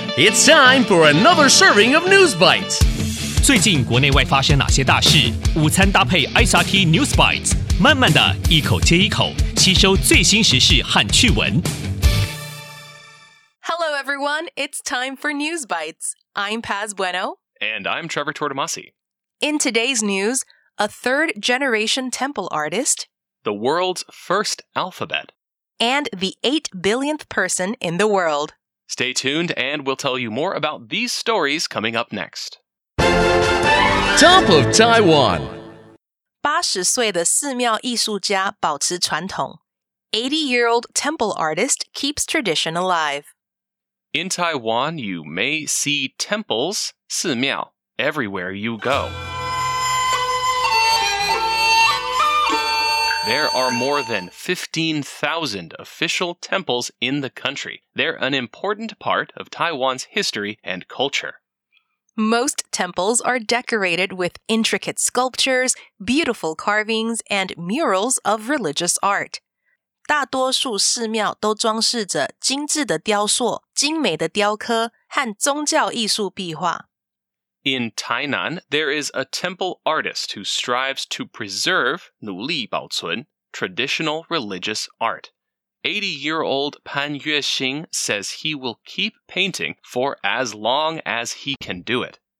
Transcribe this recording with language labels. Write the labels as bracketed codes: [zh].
[en] It's time for another serving of News Bites. [zh] 最近国内外发生哪些大事？午餐搭配 SRT News Bites， 慢慢的一口接一口，吸收最新时事和趣闻。 [en] Hello everyone, it's time for News Bites. I'm Paz Bueno. And I'm Trevor Tortomasi. In today's news, a third generation temple artist, the world's first alphabet, and the 8 billionth person in the world. Stay tuned and we'll tell you more about these stories coming up next. Top of Taiwan. [zh] 80岁的寺庙艺术家保持传统。 [en] 80-year-old temple artist keeps tradition alive. In Taiwan, you may see temples, 寺庙, everywhere you go. There are more than 15,000 official temples in the country. They're an important part of Taiwan's history and culture. Most temples are decorated with intricate sculptures, beautiful carvings, and murals of religious art. [zh] 大多数寺庙都装饰着精致的雕塑、精美的雕刻和宗教艺术壁画。 [en] In Tainan, there is a temple artist who strives to preserve, [zh] 努力保存, [en] traditional religious art. 80-year-old Pan Yueshing says he will keep painting for as long as he can do it.